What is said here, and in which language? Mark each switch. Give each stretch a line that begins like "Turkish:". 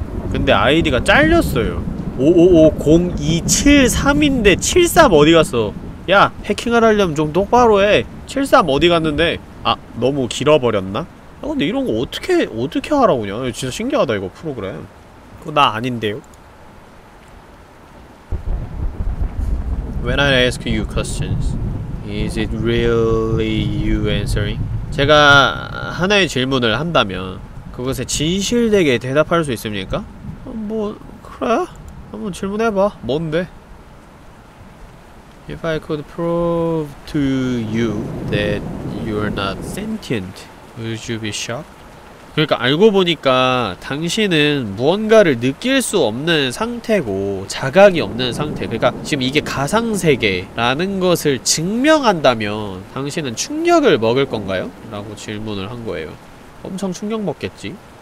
Korean: 근데 아이디가 잘렸어요. 5550273인데 73 어디 갔어? 야, 해킹을 하려면 좀 똑바로 해. 73 어디 갔는데? 아, 너무 길어버렸나? 아, 근데 이런 거 어떻게 알아오냐? 진짜 신기하다, 이거 프로그램. 그거 나 아닌데요?
English: When I ask you questions, is it really you answering?
Korean: 제가 하나의 질문을 한다면 그것에 진실되게 대답할 수 있습니까? 뭐, 그래? 한번 질문해봐. 뭔데?
English: If I could prove to you that you're not sentient, would you be shocked?
Korean: 그러니까 알고 보니까 당신은 무언가를 느낄 수 없는 상태고 자각이 없는 상태. 그러니까 지금 이게 가상 세계라는 것을 증명한다면 당신은 충격을 먹을 건가요? 라고 질문을 한 거예요. 엄청 충격 먹겠지.